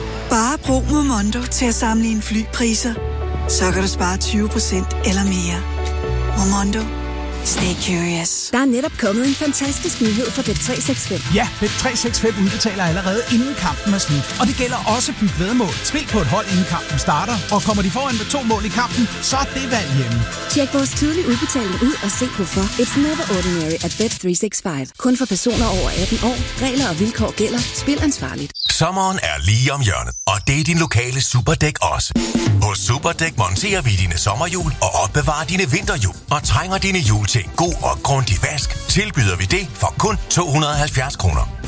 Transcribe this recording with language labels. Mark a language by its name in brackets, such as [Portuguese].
[Danish] Bare brug Momondo til at samle en flypriser. Så kan du spare 20% eller mere. Momondo. [English] Stay curious. [Danish] Der er netop kommet en fantastisk nyhed for Bet365. Ja, Bet365 udbetaler allerede inden kampen er slut. Og det gælder også byg vedmål. Spil på et hold, inden kampen starter. Og kommer de foran med 2 mål i kampen, så er det valg hjemme. Tjek vores tidlige udbetaling ud og se hvorfor. [English] It's never ordinary at Bet365. [Danish] Kun for personer over 18 år. Regler og vilkår gælder. Spil ansvarligt. Sommeren er lige om hjørnet, og det er din lokale Superdæk også. Hos Superdæk monterer vi dine sommerhjul og opbevarer dine vinterhjul. Og trænger dine hjul til en god og grundig vask, tilbyder vi det for kun 270 kroner.